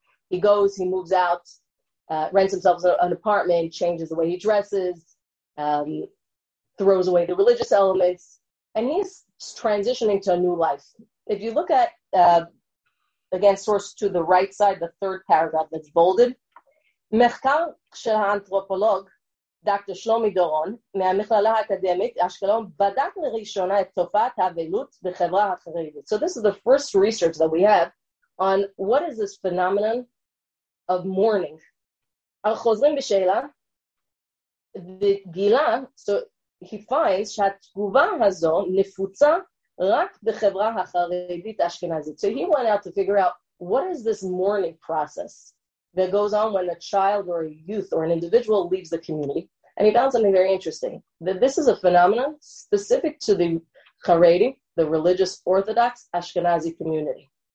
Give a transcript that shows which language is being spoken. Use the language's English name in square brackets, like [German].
[English] He goes, he moves out, rents himself an apartment, changes the way he dresses, throws away the religious elements, and he's transitioning to a new life. If you look at, again, source to the right side, the third paragraph that's bolded, [Hebrew] Mechkal shel antropolog, [English] Dr. [Hebrew] Shlomi Doron, מהמכללה האקדמית, אשקלון, בדק לראשונה את תופעת האבלות בחברה החרדית. [English] So this is the first research that we have on what is this phenomenon of mourning. [Hebrew] Al chozrim b'sheila, the gila, [English] so he finds [Hebrew] שהתגובה הזו נפוצה רק בחברה החרדית אשכנזית. [English] So he went out to figure out what is this mourning process that goes on when a child or a youth or an individual leaves the community. And he found something very interesting, that this is a phenomenon specific to the Haredi, the religious Orthodox Ashkenazi community.